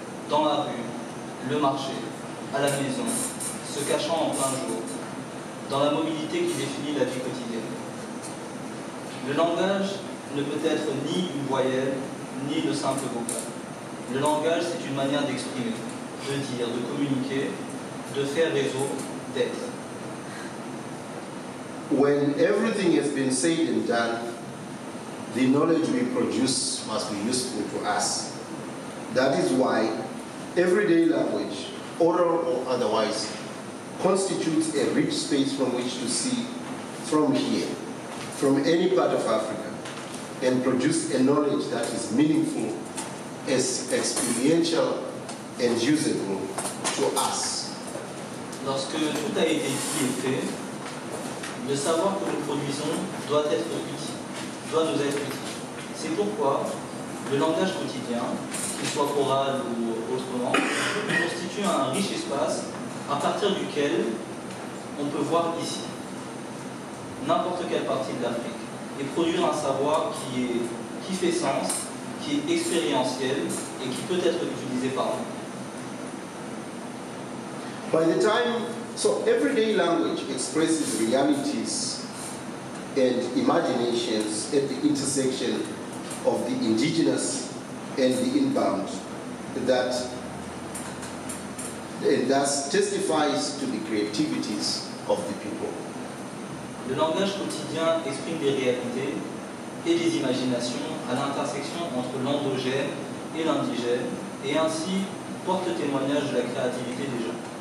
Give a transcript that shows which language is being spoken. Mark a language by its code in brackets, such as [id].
[fr] Dans la rue, le marché, à la maison, se cachant en plein jour, dans la mobilité qui définit la vie quotidienne. Le langage ne peut être ni une voyelle, ni le simple vocal. Le langage, c'est une manière d'exprimer, de dire, de communiquer, de faire réseau, d'être. [en] When everything has been said and done, the knowledge we produce must be useful to us. That is why everyday language, oral or otherwise, constitutes a rich space from which to see from here, from any part of Africa, and produce a knowledge that is meaningful, as experiential and usable to us. [fr] Lorsque tout a été dit et fait, le savoir que nous produisons doit être utile, doit nous être utile. C'est pourquoi le langage quotidien, qu'il soit oral ou autrement, constitue un riche espace à partir duquel on peut voir ici n'importe quelle partie de l'Afrique et produire un savoir qui fait sens, qui est expérientiel et qui peut être utilisé par nous. [en] By the time, so everyday language expresses realities and imaginations at the intersection of the indigenous and the inbound that and thus testifies to the creativities of the people. [fr] Le langage quotidien exprime des réalités et des imaginations à l'intersection entre l'endogène et l'indigène et ainsi porte témoignage de la créativité des gens.